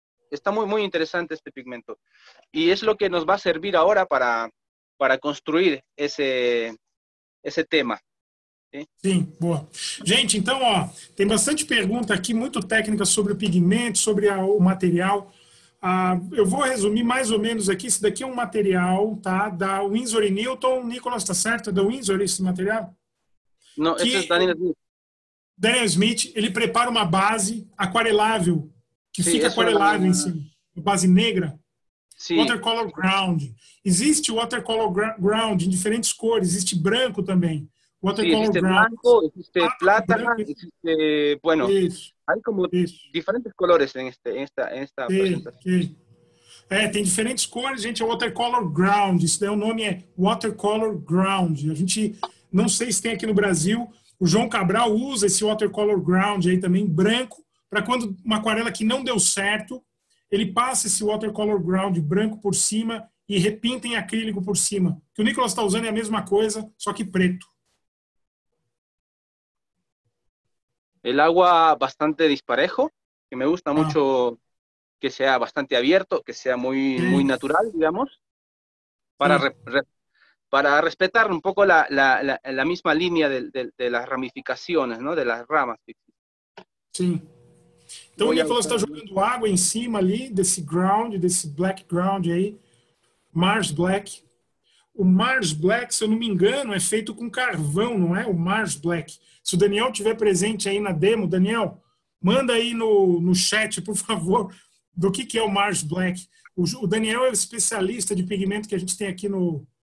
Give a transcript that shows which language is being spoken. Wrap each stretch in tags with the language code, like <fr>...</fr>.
<es>Está muy, muy interesante este pigmento. Y es lo que nos va a servir ahora para construir ese tema.</es> <pt>Sim, boa. Gente, então, ó, tem bastante pergunta aqui, muito técnica sobre o pigmento, sobre o material. Eu vou resumir mais ou menos aqui, isso daqui é um material, tá? Da Winsor & Newton, Nicolas, tá certo? Da Winsor esse material? Não, esse é da Daniel Smith. Daniel Smith, ele prepara uma base aquarelável, que fica aquarelável em cima, base negra. Sim.</pt> <en>Watercolor ground.</en> <pt>Existe watercolor ground em diferentes cores, existe branco também.</pt> <es>Existe blanco, existe plátano, existe, bueno, hay como diferentes colores en esta presentación.</es> <pt>Tem diferentes cores, gente, watercolor ground, isso daí o nome é watercolor ground. A gente, não sei se tem aqui no Brasil, o João Cabral usa esse watercolor ground aí também, branco, para quando uma aquarela que não deu certo, ele passa esse watercolor ground branco por cima e repinta em acrílico por cima. O que o Nicolas está usando é a mesma coisa, só que preto.</pt> <es>El agua bastante disparejo, que me gusta mucho que sea bastante abierto, que sea muy, muy natural, digamos, para, para respetar un poco la misma línea de las ramificaciones, ¿no? De las ramas. Sí. Entonces, Nicolás está jugando agua encima ali, de ese ground, de ese black ground ahí, Mars Black.</es> <pt>O Mars Black, se eu não me engano, é feito com carvão, não é? O Mars Black. Se o Daniel tiver presente aí na demo, Daniel, manda aí no chat, por favor, do que é o Mars Black. O Daniel é o especialista de pigmento que a gente tem aqui no...</pt>